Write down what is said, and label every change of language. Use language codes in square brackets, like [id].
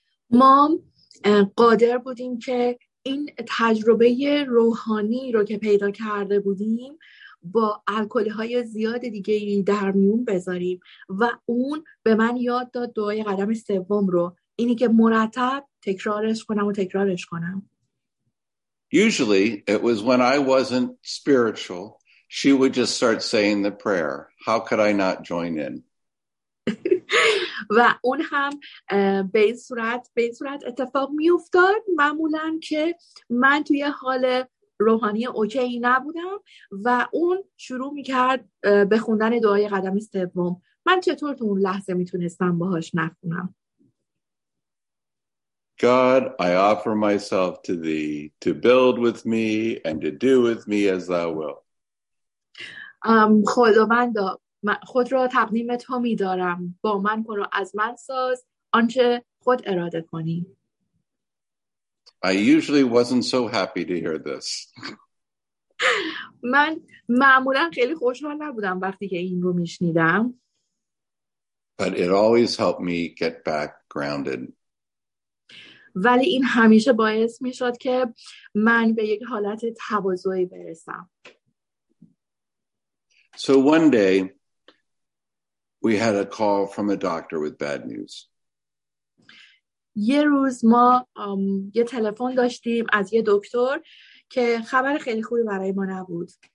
[fa] Mom, قادر بودیم که این تجربه روحانی رو که پیدا کرده بودیم با الکل‌های زیاد دیگه در میون بذاریم و اون به من یاد داد دعای قدم سوم رو، اینی که مرتب تکرارش کنم و تکرارش کنم. [en] Usually, it was when I wasn't spiritual, she would just start saying the prayer. How could I not join in? [fa] و اون هم به این صورت اتفاق می افتاد. معمولاً که من توی حال روحانی اوکی نبودم و اون شروع می کرد به خوندن دعای قدم سوم. من چطور تو اون لحظه می تونستم باهاش نخونم؟ [en] God, I offer myself to thee to build with me and to do with me as thou will. [fa] خداوند خود را تقدیم تو می‌دارم، با من کن و از من ساز آنچه خود اراده کنی. [en] I usually wasn't so happy to hear this. [fa] من معمولا خیلی خوشحال نبودم وقتی که این رو می‌شنیدم. [en] But it always helped me get back grounded. [fa] ولی این همیشه باعث می شد که من به یک حالت تواضعی برسم. [en] So one day we had a call from a doctor with bad news. [fa] یه روز ما یه تلفن داشتیم از یه دکتر که خبر خیلی خوبی برای ما نبود.